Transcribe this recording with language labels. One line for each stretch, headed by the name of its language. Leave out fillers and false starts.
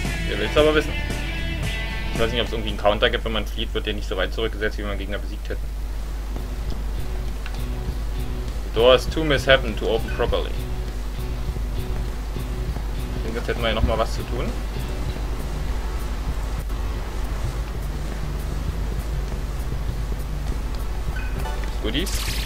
German: Wer will's aber wissen? Ich weiß nicht, ob es irgendwie einen Counter gibt, wenn man flieht, wird der nicht so weit zurückgesetzt, wie wenn man Gegner besiegt hätte.
English: The door is too mishappen to open properly.
German: Ich denke, jetzt hätten wir ja nochmal was zu tun.
English: Goodies.